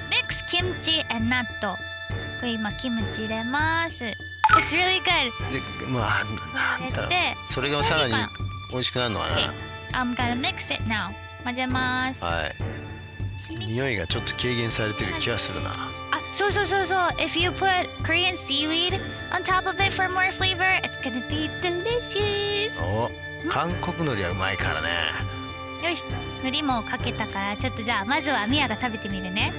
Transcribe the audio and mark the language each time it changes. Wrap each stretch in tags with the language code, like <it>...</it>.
<en>Mix kimchi and natto.</en> <ja>これ今キムチ入れます。</ja> <en>It's really good.</en> <ja>で、まあ、なんだろう。それがさらに美味しくなるのかな。</ja> <en>Okay. I'm gonna mix it now.</en> <ja>混ぜます。はい。匂いがちょっと軽減されてる気がするな。あ、そうそうそうそう。</ja> <en>If you put Korean seaweed on top of it for more flavor, it's gonna be delicious.</en> <ja>お、韓国海苔はうまいからね。よし、海苔もかけたから、ちょっとじゃあまずはミアが食べてみるね。</ja>